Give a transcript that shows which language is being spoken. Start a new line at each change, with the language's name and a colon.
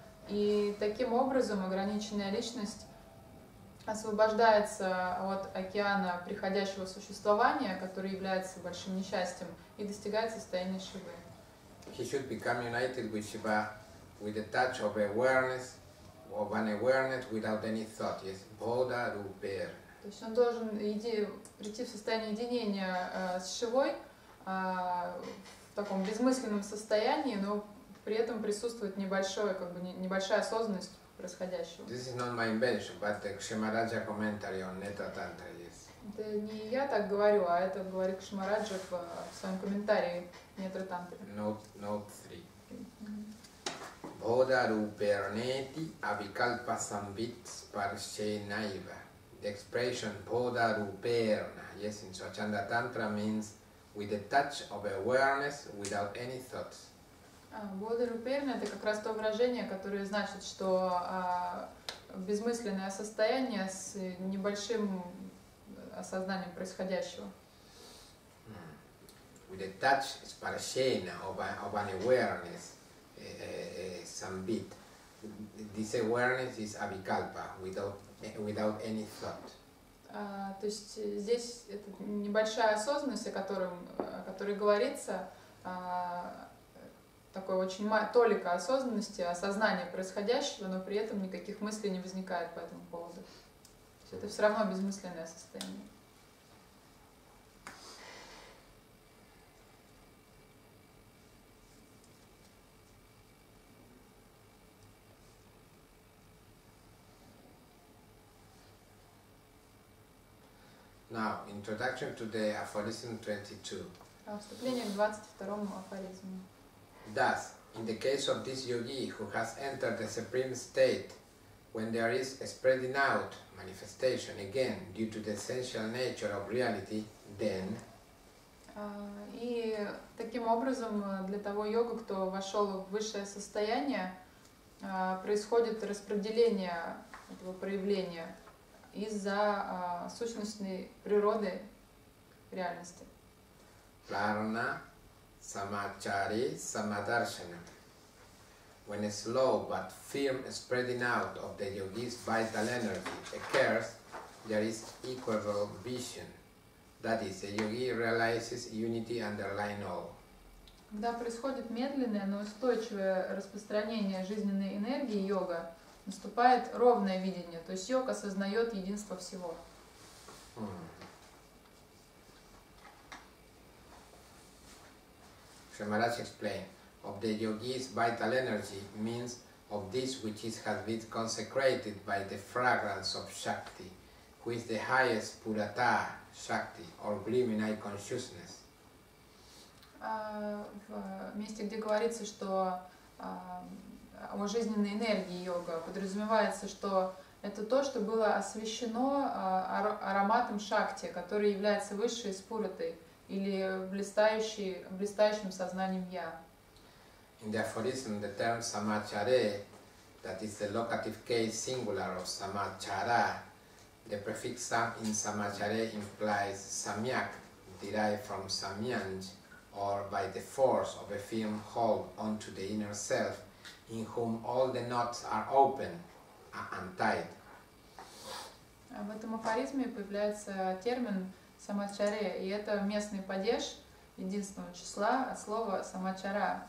Russian: И таким образом ограниченная личность освобождается от океана приходящего существования, который является большим несчастьем, и достигает состояния Шивы.
English: He should become united with Shiva with a touch of awareness, of an awareness without any thought. Yes, Bodha Rupair.
Russian: То есть он должен прийти в состояние единения с Шивой, в таком безмысленном состоянии, но при этом присутствует небольшое, как бы небольшая осознанность происходящего.
English: This is not my invention, but the Кшимараджа commentary on Netra Tantra, yes.
Russian: Это не я так говорю, а это говорит Кшимараджа в своем комментарии Netra Tantra.
Sanskrit: Note 3. Bodha Rupernethi Avikalpa Sambit Sparshe Naiva.
English: The expression Bodha Ruperna, yes, in Swachanda Tantra means with a touch of awareness, without any thoughts.
Russian: Bodha Ruperna — это как раз то выражение, которое значит, что безмысленное состояние с небольшим осознанием происходящего.
English: With a touch, sparshena, of an awareness, sambit. This awareness is avikalpa, without any thought.
Russian: То есть здесь это небольшая осознанность, о которой говорится, такое очень толика осознанности, осознание происходящего, но при этом никаких мыслей не возникает по этому поводу. То есть это все равно безмысленное состояние.
English: Now, introduction to the aphorism 22.
Russian: Вступление к 22-му афоризму.
English: Thus, in the case of this yogi who has entered the supreme state, when there is a spreading out manifestation again due to the essential nature of reality, then.
Russian: И таким образом для того йога, кто вошел в высшее состояние, происходит распределение этого проявления из-за сущностной природы реальности.
Sanskrit: Prarana, samachari, samadarshanam.
English: When a slow but firm spreading out of the yogi's vital energy occurs, there is equable vision. That is, the yogi realizes unity underlying all.
Russian: Когда происходит медленное, но устойчивое распространение жизненной энергии йога, наступает ровное видение, то есть йог осознает единство всего.
English: Шамарадж explain, of the yogi's vital energy means of this which is has been consecrated by the fragrance of Shakti, who is the highest purata Shakti or gleaming eye consciousness.
Russian: В месте, где говорится, что о жизненной энергии йога, подразумевается, что это то, что было освящено ароматом Шакти, который является высшей спуратой или блистающим сознанием Я.
English: In the aphorism, the term samachare, that is the locative case singular of samachara, the prefix sam in samachare implies samyak, derived from samyanj, or by the force of a firm hold onto the inner self, in whom all the knots are open and tied.
Russian: В этом афоризме появляется термин самачаре, и это местный падеж единственного числа от слова самачара.